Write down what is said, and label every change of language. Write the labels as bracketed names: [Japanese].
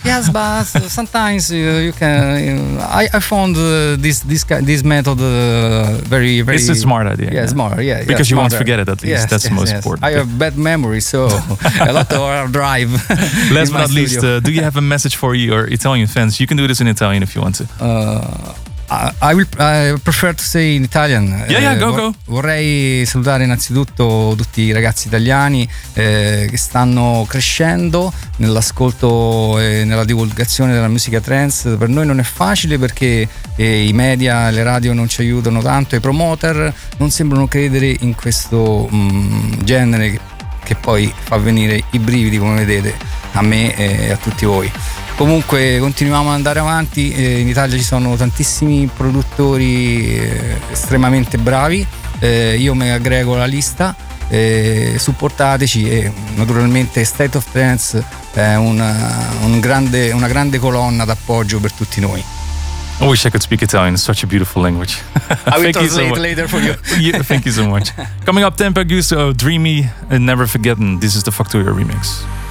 [English] Yes, but sometimes you can. I found this method very very. It's a smart idea. Yeah, smart. Yeah, because smarter. You won't forget it at least. Yes, that's the most important. I have bad memory, so a lot of hard drive. Last but not least, do you have a message for your Italian fans? You can do this in Italian if you want to. I prefer to say in Italian. Go. [Italian] Vorrei salutare innanzitutto tutti i ragazzi italiani che stanno crescendo nell'ascolto e nella divulgazione della musica trance. Per noi non è facile perché i media, le radio non ci aiutano tanto, i promoter non sembrano credere in questo genere che poi fa venire i brividi, come vedete, a me e a tutti voi. Comunque continuiamo ad andare avanti, in Italia ci sono tantissimi produttori estremamente bravi, io mi aggrego alla lista, supportateci e naturalmente State of Trance è una grande colonna d'appoggio per tutti noi. [English] I wish I could speak Italian, it's such a beautiful language. I will translate later for you. Yeah, thank you so much. Coming up, Tempo Augusto, Dreamy and Never Forgotten, this is the Factorio remix.